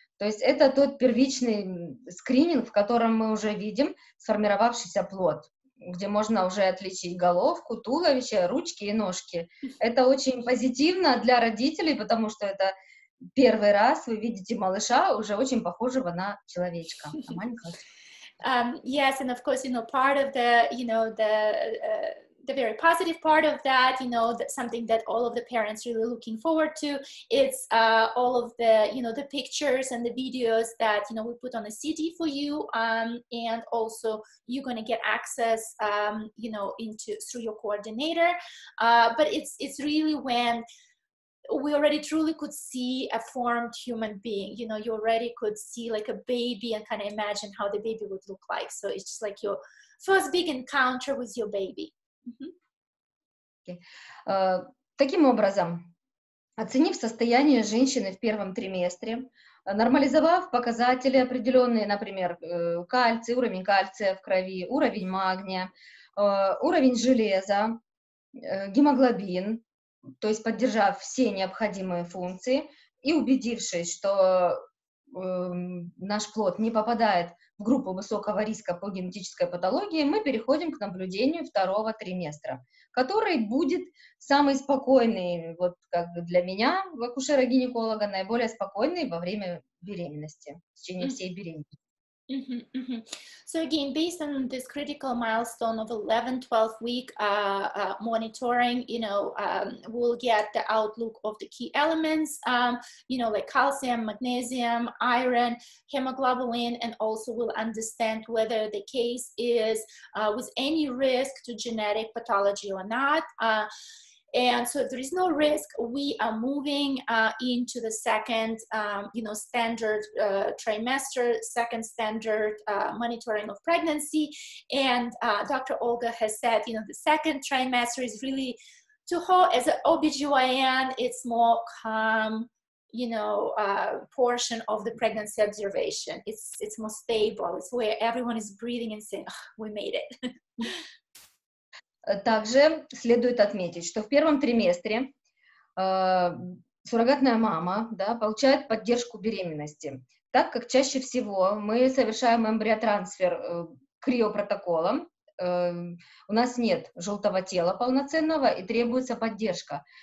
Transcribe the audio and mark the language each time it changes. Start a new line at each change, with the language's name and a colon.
Russian: То есть это тот первичный скрининг, в котором мы уже видим сформировавшийся плод, где можно уже отличить головку, туловище, ручки и ножки. Это очень позитивно для родителей, потому что это первый раз вы видите малыша, уже очень похожего на человечка, на маленького.
English: Yes, and of course, part of the, the very positive part of that, that something that all of the parents really looking forward to, it's all of the, the pictures and the videos that, we put on a CD for you, and also you're going to get access, into through your coordinator. But it's really when we already truly could see a formed human being, you already could see like a baby and kind of imagine how the baby would look like. So it's just like your first big encounter with your baby. Mm-hmm. Okay.
Russian: Таким образом, оценив состояние женщины в первом триместре, нормализовав показатели определенные, например, кальций, уровень кальция в крови, уровень магния, уровень железа, гемоглобин, то есть поддержав все необходимые функции и убедившись, что наш плод не попадает в группу высокого риска по генетической патологии, мы переходим к наблюдению второго триместра, который будет самый спокойный вот как бы для меня, акушера-гинеколога, наиболее спокойный во время беременности, в течение всей беременности.
English: So again, based on this critical milestone of 11-12 week monitoring, we'll get the outlook of the key elements, like calcium, magnesium, iron, hemoglobin, and also we'll understand whether the case is with any risk to genetic pathology or not. And so if there is no risk, we are moving into the second, standard trimester, second standard monitoring of pregnancy. And Dr. Olga has said, the second trimester is really to her as an OBGYN, it's more calm, you know, portion of the pregnancy observation. It's more stable. It's where everyone is breathing and saying, "We made it."
Russian: Также следует отметить, что в первом триместре суррогатная мама, да, получает поддержку беременности, так как чаще всего мы совершаем эмбриотрансфер криопротоколом. У нас нет желтого тела полноценного и требуется поддержка.